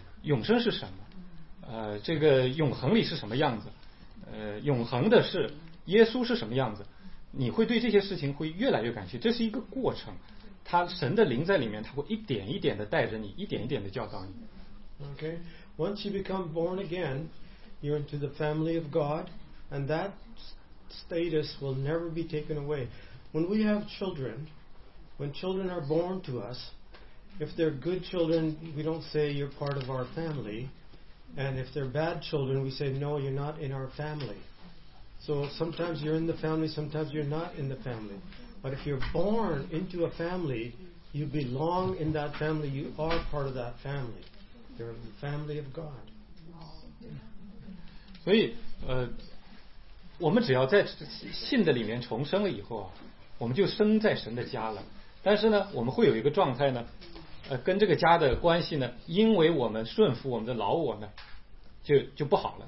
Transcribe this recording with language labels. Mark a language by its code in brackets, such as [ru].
[zh] 永生是什么？这个永恒里是什么样子？永恒的是耶稣是什么样子？你会对这些事情会越来越感兴趣，这是一个过程。他神的灵在里面，他会一点一点的带着你，一点一点的教导你。 [en] Okay, once you become born again, you're into the family of God, and that status will never be taken away. When we have children. When children are born to us, if they're good children, we don't say you're part of our family. And if they're bad children, we say, no, you're not in our family. So sometimes you're in the family, sometimes you're not in the family. But if you're born into a family, you belong in that family, you are part of that family. You're the family of God. [zh] 所以我们只要在信的里面重生了以后，我们就生在神的家了。但是呢我们会有一个状态呢，跟这个家的关系呢，因为我们顺服我们的老我呢，就不好了。